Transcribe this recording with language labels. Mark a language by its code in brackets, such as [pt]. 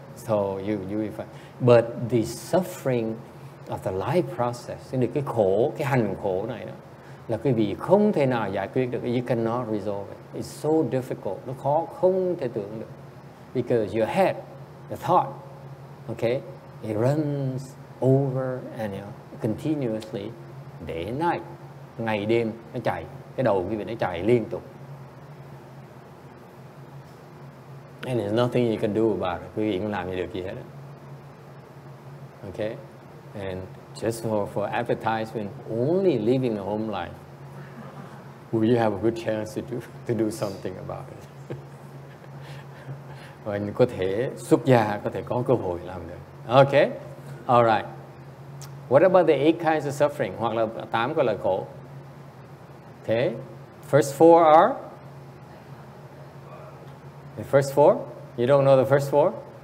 [en] So you'll be fine. But the suffering of the life process, [vi] cái khổ, cái hành khổ này đó, là quý vị không thể nào giải quyết được. [en] You cannot resolve it. It's so difficult. [vi] Nó khó không thể tưởng được. [en] Because your head, the thought, okay, it runs over and continuously day and night. [vi] Ngày đêm nó chạy. Cái đầu quý vị nó chạy liên tục. [en] And there's nothing you can do about it. [vi] Quý vị không làm gì được gì hết. [en] Okay? And just for advertisement, only living a home life, will you have a good chance to do something about it? [vi] Và có thể xuất gia có thể có cơ hội làm được. [en] Okay, all right. What about the 8 kinds of suffering? [vi] Hoặc là 8 cái loại khổ. [en] Okay, first 4 are? The first 4? You don't know the first 4?